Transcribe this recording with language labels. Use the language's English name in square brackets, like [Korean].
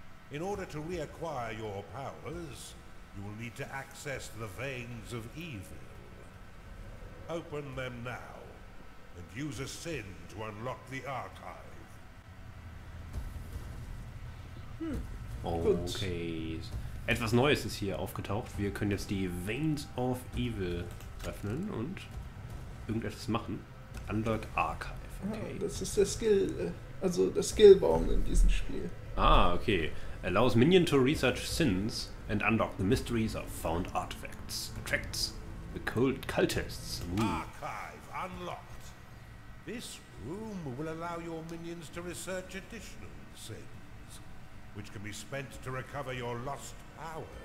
[English] In order to reacquire your powers, you will need to access the veins of evil. Open them now and use a sin to unlock the archive. [German] Okay. Etwas Neues ist hier aufgetaucht. Wir können jetzt die Veins of Evil öffnen und irgendetwas machen. [English] Unlock Archive. Okay. [German] Ah, das ist der Skill, also der Skillbaum in diesem Spiel. Ah, okay. [English] Allows Minion to research sins and unlock the mysteries of found artifacts. Attracts. The cold cultists. Ooh. Archive unlocked. This room will allow your minions to research additional sins, which can be spent to recover your lost powers.